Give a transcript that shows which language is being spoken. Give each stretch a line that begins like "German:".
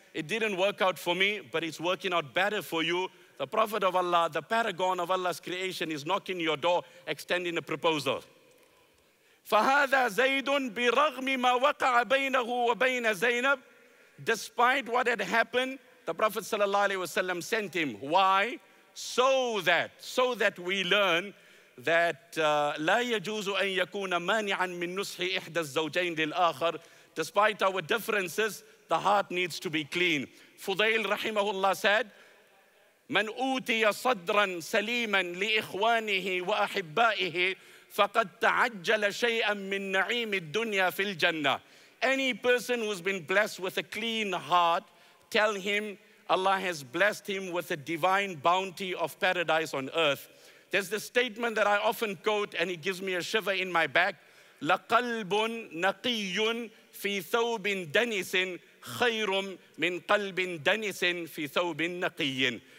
English: It didn't work out for me, but it's working out better for you. The Prophet of Allah, the paragon of Allah's creation, is knocking your door, extending a proposal.
Arabic: فَهَذَا زَيْدٌ بِرَغْمِ مَا وَقَعَ بَيْنَهُ وَبَيْنَ زَيْنَبٍ.
English: Despite what had happened, the Prophet ﷺ sent him. Why? So that we learn that
Arabic: لَا يَجُوزُ أَن يَكُونَ مَانِعًا مِن نُسْحِ إِحْدَى الزَّوْجَيْنِ الْآخَرِ.
English: Despite our differences, the heart needs to be clean. Fudail rahimahullah said,
Arabic: مَنْ أُوتِيَ صَدْرًا سَلِيمًا لِإِخْوَانِهِ وَأَحِبَّائِهِ فَقَدْ تَعَجَّلَ شَيْئًا مِّن نَعِيمِ الدُّنْيَا فِي الْجَنَّةِ.
English: Any person who's been blessed with a clean heart, tell him Allah has blessed him with a divine bounty of paradise on earth. There's this statement that I often quote and it gives me a shiver in my back.
Arabic: لَقَلْبٌ نَقِيٌّ فِي ثَوْبٍ دَنِسٍ خَيْرٌ مِّن قَلْبٍ دَنِسٍ فِي ثَوْبٍ نَقِيٍّ.